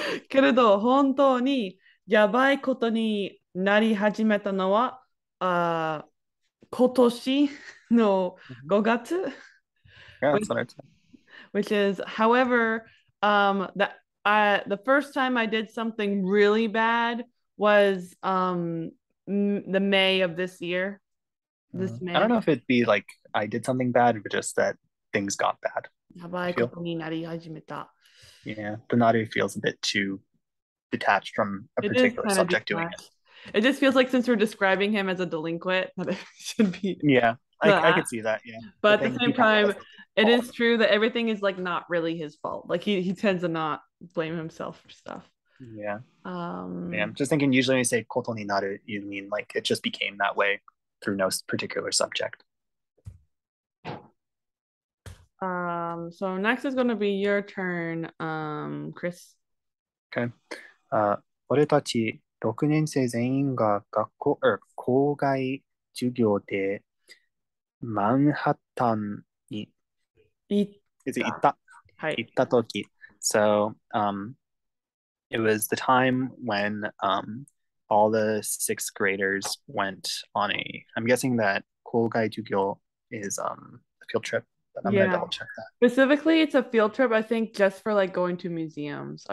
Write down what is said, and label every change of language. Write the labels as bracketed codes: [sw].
[ja] けれど、本当にやばいことになり始めたのは、今年の5月。 [en] Yeah, that's what I said. Which is, however, the first time I did something really bad was the May of this year. This May. I don't know if it'd be like I did something bad, but just that things got bad. Yeah, the nari feels a bit too detached from a particular subject doing it. It just feels like since we're describing him as a delinquent, that it should be. Yeah, I could see that. Yeah, but at the same time, it is true that everything is like not really his fault. Like he tends to not blame himself for stuff. Yeah. Yeah, I'm just thinking usually when you say [ja] koto ni naru, [en] you mean like it just became that way through no particular subject. So next is going to be your turn, Chris. Okay. [ja] 俺たち6年生全員が学校、校外授業でマンハッタンに行った時。 [en] So, it was the time when all the sixth graders went on a, I'm guessing that 校外授業 is a field trip, but I'm gonna double check that. Specifically, it's a field trip, I think, just for like going to museums.